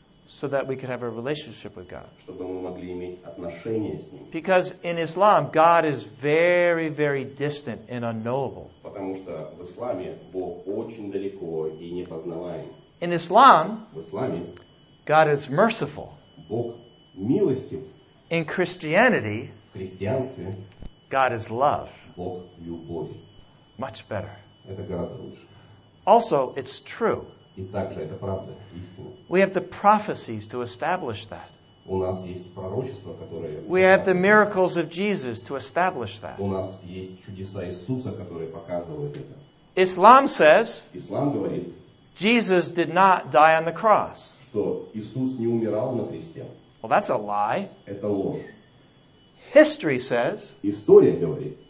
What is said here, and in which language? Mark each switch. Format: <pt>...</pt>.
<en>So that we could have a relationship with God.</en> <ru>Чтобы мы могли иметь отношения с ним.</ru> <en>Because in Islam, God is very, very distant and unknowable.</en> <ru>Потому что в исламе Бог очень далеко и непознаваем.</ru> <en>In Islam,</en> <ru>в исламе,</ru> <en>God is merciful.</en> <ru>Бог милостив.</ru> <en>In Christianity,</en> <ru>в христианстве,</ru> <en>God is love.</en> <ru>Бог любовь.</ru> <en>Much better.</en> <ru>Это гораздо лучше.</ru> <en>Also, it's true.</en> <ru>И также это правда, истина.</ru> <en>We have the prophecies to establish that.</en> <ru>У нас есть пророчества, которые.</ru> <en>We have the miracles of Jesus to establish that.</en> <ru>У нас есть чудеса Иисуса, которые показывают это.</ru> <en>Islam says.</en> <ru>Ислам говорит.</ru> <en>Jesus did not die on the cross.</en> <ru>Что Иисус не умирал на кресте.</ru> <en>Well, that's a lie.</en> <ru>Это ложь.</ru> <en>History says.</en> <ru>История говорит.</ru>